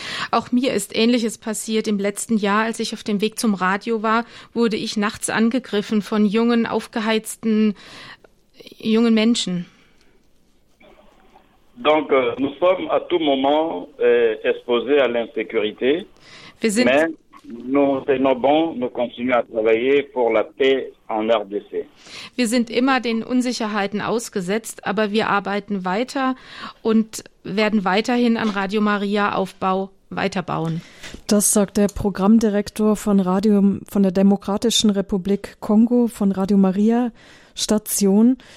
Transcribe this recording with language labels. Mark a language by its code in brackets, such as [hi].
[de] Auch mir ist Ähnliches passiert. Im letzten Jahr, als ich auf dem Weg zum Radio war, wurde ich nachts angegriffen von jungen, aufgeheizten, jungen Menschen. [fr] Donc, nous sommes à tout moment exposés à l'insécurité. [de] Wir sind [fr] mais nous tenons bon, nous continuons à travailler pour la paix en RDC. [de] Wir sind immer den Unsicherheiten ausgesetzt, aber wir arbeiten weiter und werden weiterhin an Radio Maria Aufbau weiterbauen. Das sagt der Programmdirektor von Radio, von der Demokratischen Republik Kongo, von Radio Maria Station.